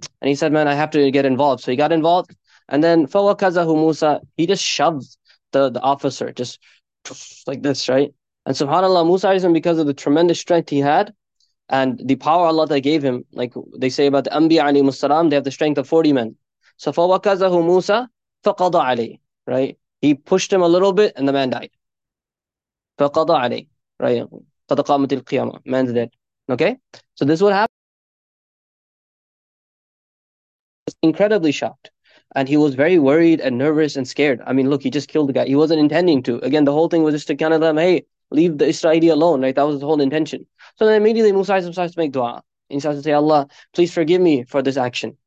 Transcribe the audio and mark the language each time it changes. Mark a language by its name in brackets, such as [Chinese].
[English] And he said, man, I have to get involved. So he got involved. And then [Arabic] فَوَكَزَهُ [English] Musa, he just shoved the officer just like this, right? And subhanAllah, Musa, because of the tremendous strength he had and the power Allah that gave him, like they say about the Anbiya alayhi salam, they have the strength of 40 men. [Arabic] So فَوَكَزَهُ Musa فَقَضَى عَلَيْهِ, right? [English] He pushed him a little bit and the man died. [Arabic] فَقَضَى عَلَيْهِ, right? قَدَ قَامَتِ الْقِيَامَةِ, [English] man's dead. Okay? So this is what happened. He was incredibly shocked. And he was very worried and nervous and scared. I mean, look, he just killed the guy. He wasn't intending to. Again, the whole thing was just to kind of them, hey, leave the Israeli alone, right? That was the whole intention. So then immediately Musa starts to make dua. He starts to say, Allah, please forgive me for this action.